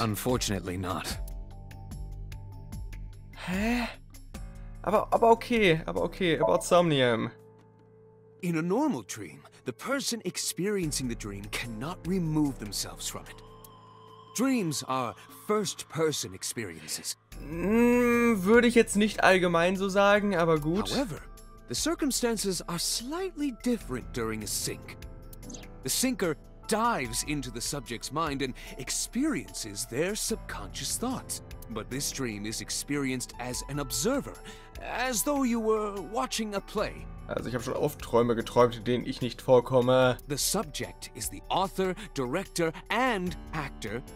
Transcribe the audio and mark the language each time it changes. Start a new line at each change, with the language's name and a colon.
English: Unfortunately not.
German: Hä? Aber okay,
English: about Somnium. In a normal dream, the person experiencing the dream cannot remove themselves from it. Dreams are first-person experiences.
German: Würde ich jetzt nicht allgemein so sagen, aber gut.
English: However, the circumstances are slightly different during a sync. The syncer dives into the subject's mind and experiences their subconscious thoughts. But this dream is experienced as an observer, as though you were watching a play.
German: Also ich habe schon oft Träume geträumt, in denen ich nicht vorkomme.
English: The subject is the author, director and actor.